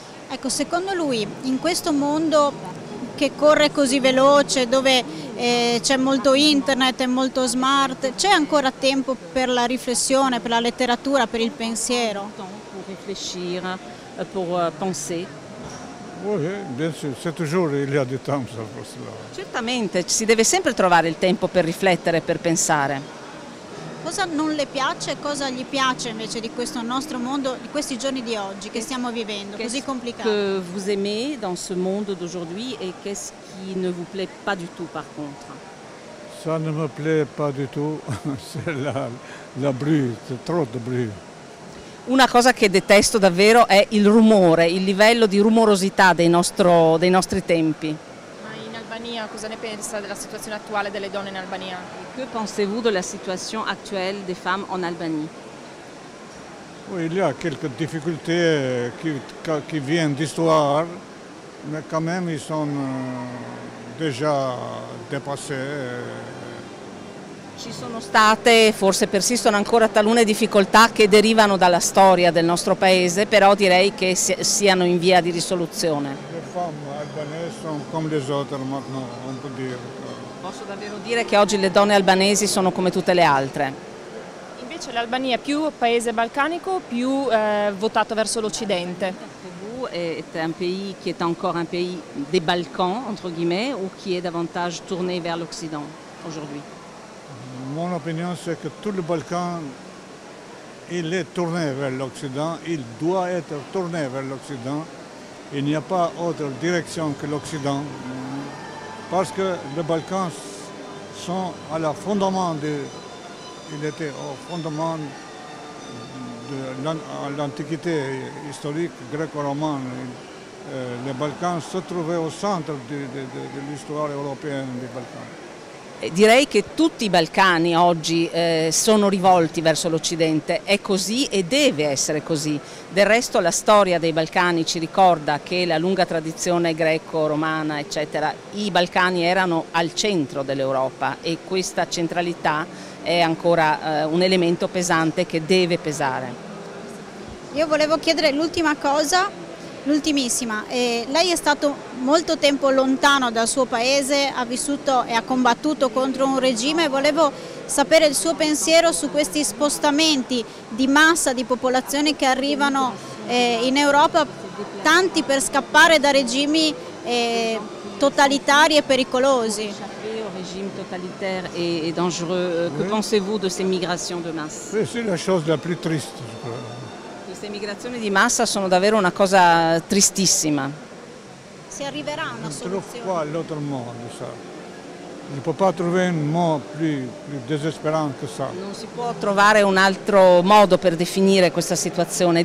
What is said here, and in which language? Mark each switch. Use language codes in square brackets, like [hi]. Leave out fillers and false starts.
[it] Ecco, secondo lui in questo mondo che corre così veloce, dove c'è molto internet e molto smart, c'è ancora tempo per la riflessione, per la letteratura, per il pensiero? Per riflessire, per pensare. [fr] Oui, bien sûr, c'est toujours il y a du temps pour cela. [it] Certamente, si deve sempre trovare il tempo per riflettere, per pensare. Cosa non le piace e cosa gli piace invece di questo nostro mondo, di questi giorni di oggi che stiamo vivendo, così complicato? [fr] Che vous aimez dans ce monde d'aujourd'hui e qu'est-ce qui ne vous plaît pas du tout par contre? Ça ne me plaît pas du tout, c'est la bruit, trop de bruit. [it] Una cosa che detesto davvero è il rumore, il livello di rumorosità dei nostri tempi. Ma in Albania cosa ne pensa della situazione attuale delle donne in Albania? [fr] Que pensez-vous de la situation actuelle des femmes en Albanie? Oui, il y a quelques difficultés qui viennent d'histoire, mais quand même ils sont déjà dépassés. [it] Ci sono state, forse persistono ancora talune difficoltà che derivano dalla storia del nostro paese, però direi che siano in via di risoluzione. Le femme albanese sono come le altre, ma no, non può dire. Posso davvero dire che oggi le donne albanesi sono come tutte le altre. Invece l'Albania è più paese balcanico o più votato verso l'Occidente? [fr] Est un pays qui est encore un pays des Balkans, entre guillemets, ou qui est davantage tourné vers l'Occident aujourd'hui? Mon opinion, c'est que tout le Balkan, il est tourné vers l'Occident, il doit être tourné vers l'Occident. Il n'y a pas autre direction que l'Occident. Parce que les Balkans sont à la fondement de. Il était au fondement de l'Antiquité historique gréco-romane. Les Balkans se trouvaient au centre de l'histoire européenne des Balkans. [it] Direi che tutti i Balcani oggi sono rivolti verso l'Occidente, è così e deve essere così. Del resto la storia dei Balcani ci ricorda che la lunga tradizione greco-romana, eccetera, i Balcani erano al centro dell'Europa e questa centralità è ancora un elemento pesante che deve pesare. Io volevo chiedere l'ultima cosa, l'ultimissima. Lei è stato molto tempo lontano dal suo paese, ha vissuto e ha combattuto contro un regime. Volevo sapere il suo pensiero su questi spostamenti di massa di popolazioni che arrivano in Europa, tanti per scappare da regimi totalitari e pericolosi. [fr] Regime totalitaire et dangereux. Que pensez-vous de ces migrations de masse? C'est la chose la plus triste. [it] Queste migrazioni di massa sono davvero una cosa tristissima. Si arriverà a una soluzione? Qua all'altro mondo, sa. Non si può trovare un modo più disperante che sa. Non si può trovare un altro modo per definire questa situazione.